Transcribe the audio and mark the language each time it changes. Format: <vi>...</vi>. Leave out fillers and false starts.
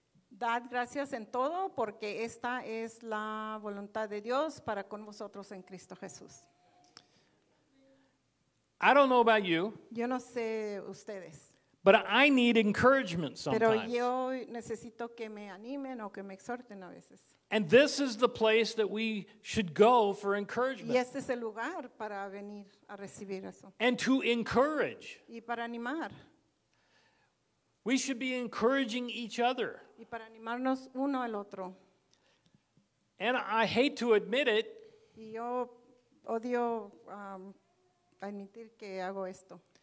<es>Dad gracias en todo, porque esta es la voluntad de Dios para con vosotros en Cristo Jesús.</es> <en>I don't know about you.</en> <es>Yo no sé ustedes.</es> <en>But I need encouragement sometimes.</en> <es>Pero yo necesito que me animen o que me exhorten a veces.</es> <en>And this is the place that we should go for encouragement.</en> <es>Y este es el lugar para venir a recibir eso.</es> <en>And to encourage.</en> <es>Y para animar.</es> <en>We should be encouraging each other.</en> <es>Y para animarnos uno al otro.</es> <en>And I hate to admit it.</en> <es>Y yo odio admitir que hago esto.</es>